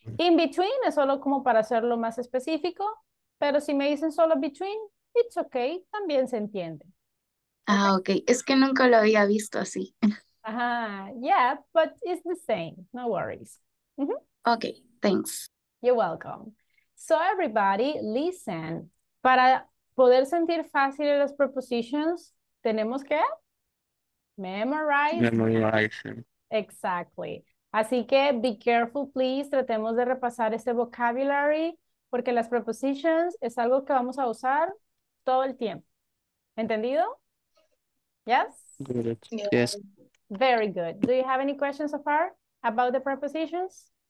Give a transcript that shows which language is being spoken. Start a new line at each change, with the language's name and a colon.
Spanish: In between es solo como para hacerlo más específico. Pero si me dicen solo between,
English: it's okay.
Spanish: También se entiende. Ah, okay. Es que nunca lo había visto así.
English: Yeah, but it's the same. No worries. Okay, thanks. You're welcome. So everybody, listen.
Spanish: Para poder sentir fácil las prepositions, tenemos que
English: memorize. Exactly.
Spanish: Así que
English: be careful, please.
Spanish: Tratemos de repasar este vocabulary porque las prepositions es algo que vamos a usar todo el tiempo. ¿Entendido?
English: Yes? Yes. Very good. Do you have any questions so far about the prepositions?